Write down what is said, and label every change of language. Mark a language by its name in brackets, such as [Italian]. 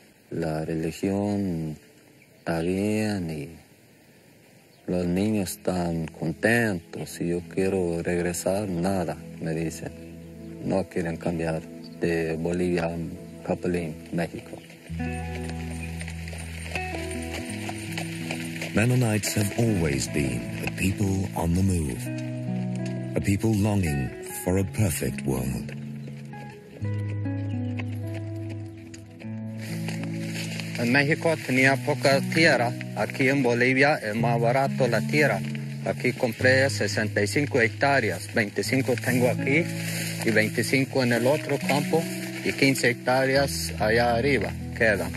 [Spanish] La religión está bien y los niños están contentos. Si yo quiero regresar, nada, me dicen. no quieren cambiar de Bolivia a Capulín, México. [English] Mennonites have always been a people on the move, a people longing for a perfect world. [Spanish] En México tenía poca tierra, aquí en Bolivia es más barato la tierra. Aquí compré 65 hectáreas, 25 tengo aquí y 25 en el otro campo y 15 hectáreas allá arriba quedan.